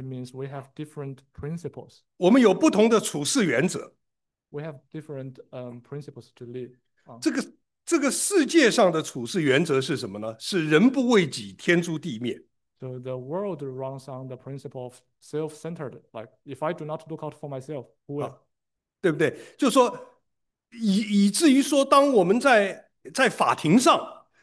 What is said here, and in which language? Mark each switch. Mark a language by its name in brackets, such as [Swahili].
[English] it means we have different principles. [Chinese] 我们有不同的处事原则。 [English] We have different principles to live on. [Chinese] 这个世界上的处事原则是什么呢？是人不为己，天诛地灭。 [English] So the world runs on the principle of self-centered. Like, if I do not look out for myself, who will? [Chinese] 对不对？就是说，以至于说，当我们在法庭上。